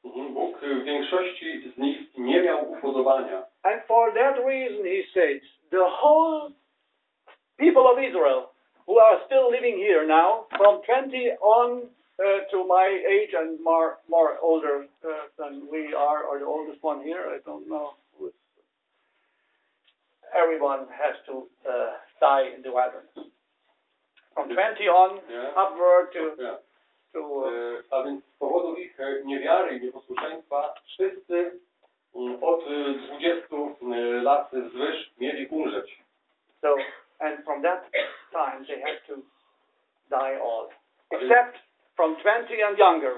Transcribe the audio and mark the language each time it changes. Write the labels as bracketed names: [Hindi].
[Polish] Bóg w większości z nich nie miał upodobania. [English] And for that reason, he said, the whole people of Israel, who are still living here now, from 20 on to my age and more older than we are, or the oldest one here, I don't know. Everyone has to die in the wilderness. From 20 on, yeah. Upward to... Yeah. To [Polish] A więc z powodu ich niewiary i nieposłuszeństwa wszyscy od 20 lat wzwyż mieli umrzeć. [English] So, and from that time they have to die all. Except from 20 and younger.